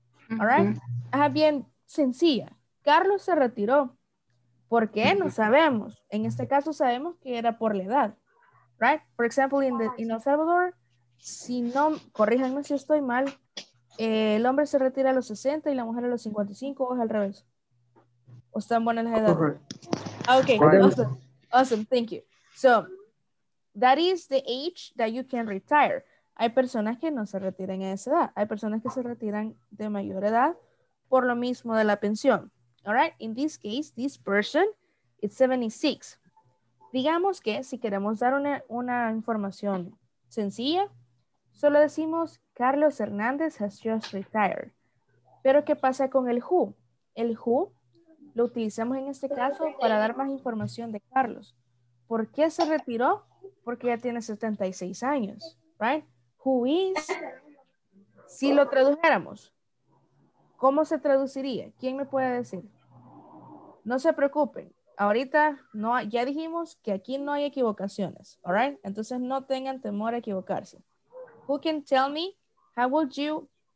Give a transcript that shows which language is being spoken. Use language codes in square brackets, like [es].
[es] All right. Mm-hmm. Ajá, bien sencilla. Carlos se retiró. ¿Por qué? No sabemos. En este caso sabemos que era por la edad. Right. For example, in El Salvador, si no, corríjanme si estoy mal, el hombre se retira a los 60 y la mujer a los 55, o es al revés. [en] ¿O están buenas las edades? Correct. Okay, awesome. Awesome, thank you. So, that is the age that you can retire. [es] Hay personas que no se retiran a esa edad. Hay personas que se retiran de mayor edad por lo mismo de la pensión. [en] All right, in this case, this person is 76. [es] Digamos que si queremos dar una información sencilla, solo decimos, Carlos Hernández has just retired. Pero, ¿qué pasa con el who? El who lo utilizamos en este caso para dar más información de Carlos. ¿Por qué se retiró? Porque ya tiene 76 años, right? Who is? Si lo tradujéramos, ¿cómo se traduciría? ¿Quién me puede decir? No se preocupen. Ahorita no, ya dijimos que aquí no hay equivocaciones, all right? [en] Entonces, no tengan temor a equivocarse. Who can tell me, how would you